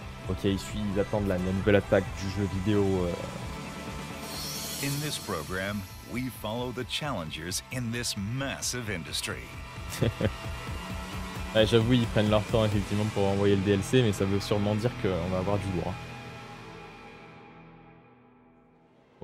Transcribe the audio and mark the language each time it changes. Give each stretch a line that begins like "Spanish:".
French: Ok, ils attendent la nouvelle attaque du jeu vidéo.
English: In this program, we follow the challengers in this massive industry.
French: Ouais, j'avoue, ils prennent leur temps effectivement pour envoyer le DLC, mais ça veut sûrement dire qu'on va avoir du lourd.